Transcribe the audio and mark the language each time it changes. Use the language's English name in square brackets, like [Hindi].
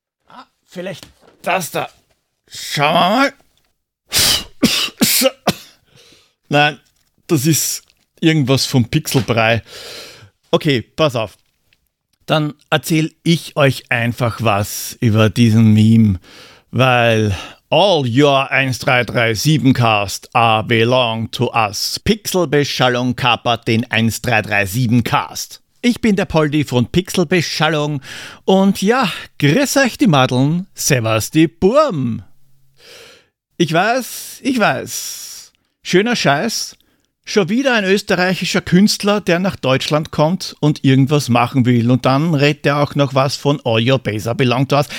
[German] Ah, vielleicht das da. Schauen wir mal. Nein, das ist irgendwas vom Pixelbrei. Okay, pass auf. Dann erzähle ich euch einfach was über diesen Meme. Weil [English] all your 1337-Cast are belong to us. [German] Pixelbeschallung kapert den 1337-Cast. Ich bin der Poldi von Pixelbeschallung und ja, grüß euch die Madeln, servus die Burm. Ich weiß, schöner Scheiß, schon wieder ein österreichischer Künstler, der nach Deutschland kommt und irgendwas machen will und dann redet er auch noch was von All Your Base Are Belong To Us.